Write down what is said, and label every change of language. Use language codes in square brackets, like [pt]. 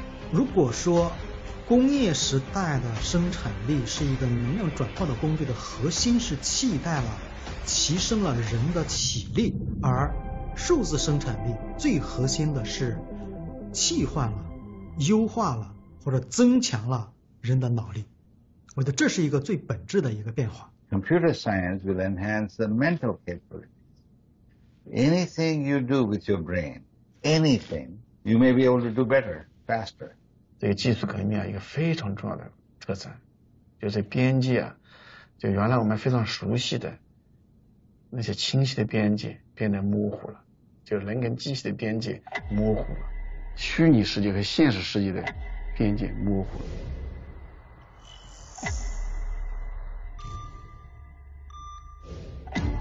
[zh] 如果说工业时代的生产力是一个能量转化的工具的核心是替代了、提升了人的体力，而数字生产力最核心的是替换了、优化了或者增强了人的脑力。我觉得这是一个最本质的一个变化。 [en] Computer science will enhance the mental capabilities. Anything you do with your brain, anything, you may be able to do better, faster. [zh] 这个技术革命啊，一个非常重要的特征，就是边界啊，就原来我们非常熟悉的那些清晰的边界变得模糊了。就人跟机器的边界模糊了，虚拟世界和现实世界的边界模糊了。